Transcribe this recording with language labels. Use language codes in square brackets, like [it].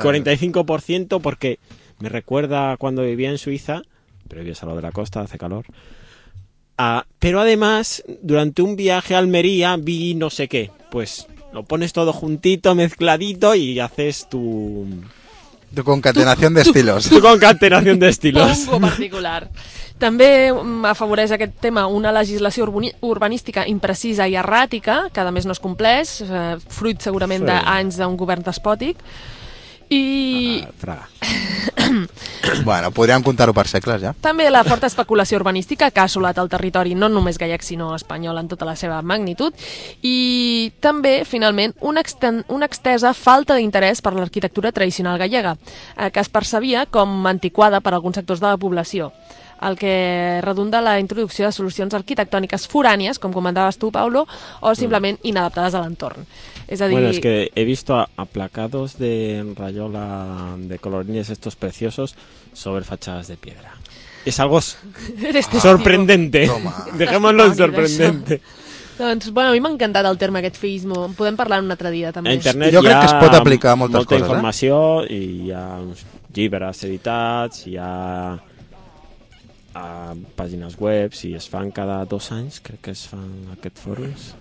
[es] 45% porque me recuerda cuando vivía en Suiza, pero vives a lo de la costa, hace calor. Pero además, durante un viaje a Almería vi no sé qué. Pues lo pones todo juntito, mezcladito y haces tu concatenación de estilos. Tu concatenación de estilos. Un poco particular. [ca] També afavoreix aquest tema una legislació urbanística imprecisa i erràtica, que a més no es compleix, fruit segurament sí. d'anys d'un govern despòtic. I... Bueno, podríem comptar-ho per segles, ja. També la forta especulació urbanística que ha assolat el territori, no només gallec, sinó espanyol en tota la seva magnitud. I també, finalment, una extensa falta d'interès per l'arquitectura tradicional gallega, que es percebia com antiquada per alguns sectors de la població, el que redunda la introducció de solucions arquitectòniques forànies, com comentaves tu, Paulo, o simplement inadaptades a l'entorn. És a dir... [es] Bueno, es que he visto aplacados de rayola de colorines estos preciosos sobre fachadas de piedra. Es algo sorprendente. Dejémoslo en sorprendente. [ca] Doncs, bueno, a mi m'ha encantat el terme aquest feísmo. Podem parlar un altre dia, també. A internet jo crec que es pot aplicar a moltes molta coses, informació i hi ha uns llibres editats, hi ha... a pàgines web, si es fan cada dos anys, crec que es fan aquest fòrum.